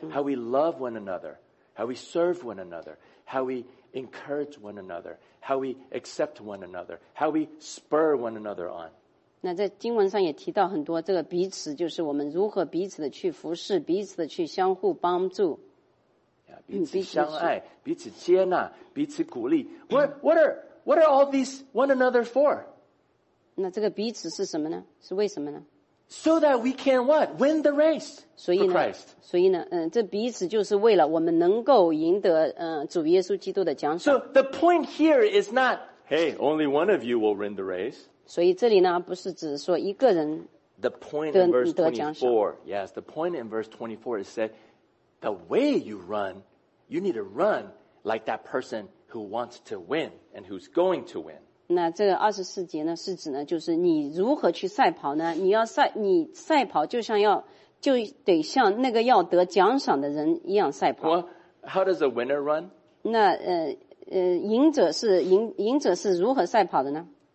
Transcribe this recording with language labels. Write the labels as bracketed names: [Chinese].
[English] How we love one another, how we serve one another, how we encourage one another, how we accept one another, how we spur one another on. [Chinese] 那在经文上也提到很多这个彼此，就是我们如何彼此的去服侍，彼此的去相互帮助。彼此相爱，彼此接纳，彼此鼓励。 [English] What are all these one another for? [Chinese] 那这个彼此是什么呢？是为什么呢？ [English] So that we can what? Win the race for Christ. [Chinese] 所以呢，这彼此就是为了我们能够赢得主耶稣基督的奖赏。 [English] So the point here is not, hey, only one of you will win the race. [Chinese] 所以这里呢，不是只说一个人得奖赏。 [English] The point in verse 24, yes, the point in verse 24 is said,The way you run, you need to run like that person who wants to win and who's going to win. [Chinese] 那这个二十四节呢，是指呢，就是你如何去赛跑呢？你要赛，你赛跑就像要，就得像那个要得奖赏的人一样赛跑。 [English] Well, how does a winner run? [Chinese] 那赢者是如何赛跑的呢？